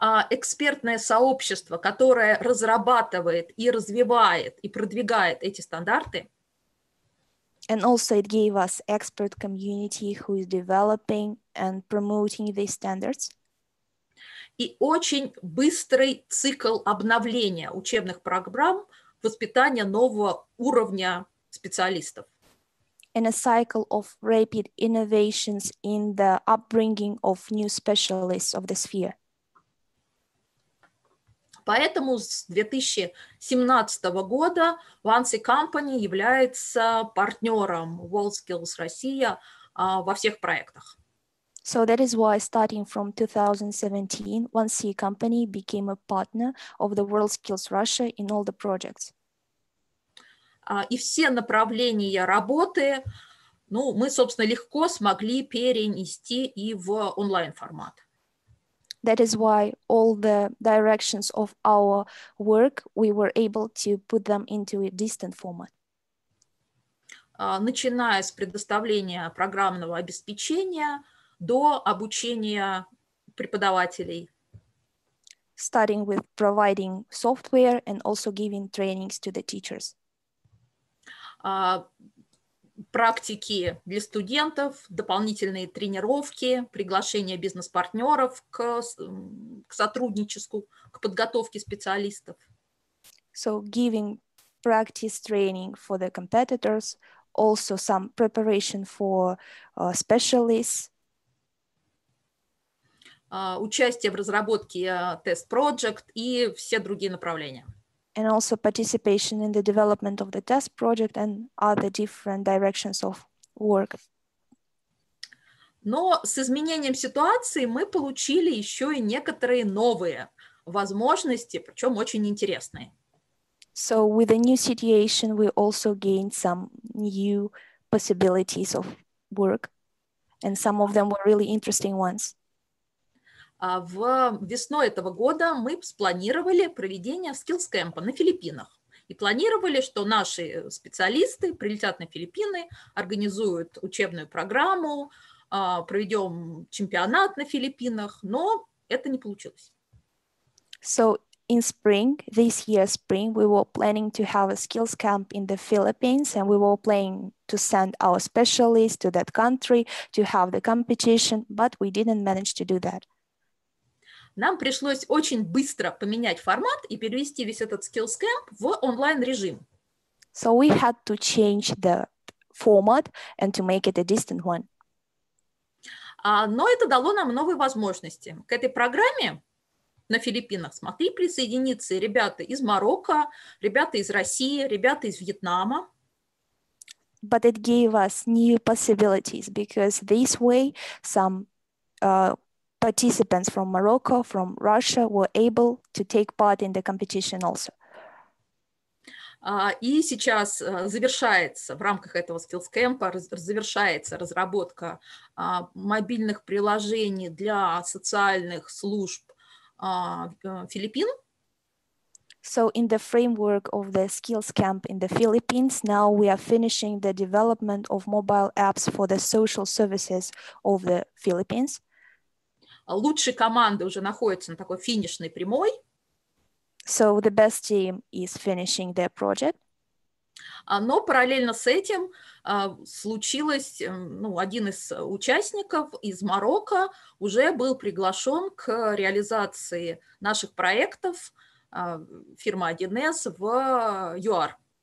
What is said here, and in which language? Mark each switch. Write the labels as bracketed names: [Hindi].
[Russian] Экспертное сообщество, которое разрабатывает и развивает и продвигает эти стандарты. [English] And also it gave us expert community who is developing and promoting these standards. [Russian] И очень быстрый цикл обновления учебных программ воспитания нового уровня специалистов. [English] And a cycle of rapid innovations in the upbringing of new specialists of the sphere. [Russian] Поэтому с 2017 года 1C Company является партнером WorldSkills Россия во всех проектах. [English] So that is why starting from 2017, 1C Company became a partner of the WorldSkills Russia in all the projects. [Russian] И все направления работы, ну, мы, собственно, легко смогли перенести и в онлайн-формат. [English] That is why all the directions of our work, we were able to put them into a distant format. [Russian] Начиная с предоставления программного обеспечения до обучения преподавателей. [English] Starting with providing software and also giving trainings to the teachers. [Russian] Практики для студентов, дополнительные тренировки, приглашение бизнес-партнеров к сотрудничеству, к подготовке специалистов. [English] So giving practice training for the competitors, also some preparation for specialists. [Russian] участие в разработке test project и все другие направления. [English] And also participation in the development of the test project and other different directions of work. [Russian] Но с изменением ситуации мы получили еще и некоторые новые возможности, причем очень интересные. [English] So with the new situation, we also gained some new possibilities of work, and some of them were really interesting ones. [Russian] В весной этого года мы спланировали проведение скиллс-кэмпа на Филиппинах. И планировали, что наши специалисты прилетят на Филиппины, организуют учебную программу, проведем чемпионат на Филиппинах, но это не получилось. [English] So in spring, this year spring, we were planning to have a skills camp in the Philippines, and we were planning to send our specialists to that country to have the competition, but we didn't manage to do that. [Russian] Нам пришлось очень быстро поменять формат и перевести весь этот skills camp в онлайн-режим. [English] So we had to change the format and to make it a distant one. [Russian] Но это дало нам новые возможности. К этой программе на Филиппинах смогли присоединиться ребята из Марокко, ребята из России, ребята из Вьетнама. [English] But it gave us new possibilities, because this way some participants from Morocco, from Russia were able to take part in the competition also. [Russian] И сейчас завершается в рамках этого skills camp завершается разработка мобильных приложений для социальных служб Филиппин. [English] So in the framework of the skills camp in the Philippines, now we are finishing the development of mobile apps for the social services of the Philippines. [Russian] Лучшие команды уже находятся на такой финишной прямой. [English] So the best team is finishing their project. [Russian] Но параллельно с этим случилось, ну, один из участников из Марокко уже был приглашен к реализации наших проектов фирмы 1С в ЮАР.